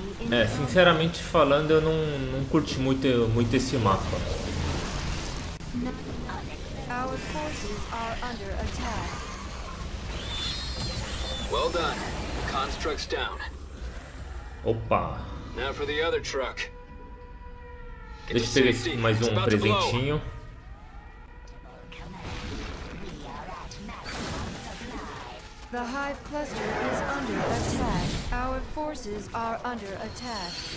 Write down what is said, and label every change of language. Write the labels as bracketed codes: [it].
[pt] É, sinceramente falando, eu não curti muito esse mapa. [en] Our forces are under attack. Well done. Construct's down. Opa. Now for the other truck. [pt] Deixa eu pegar esse, mais um presentinho. [en] The hive cluster is under attack. Our forces are under attack.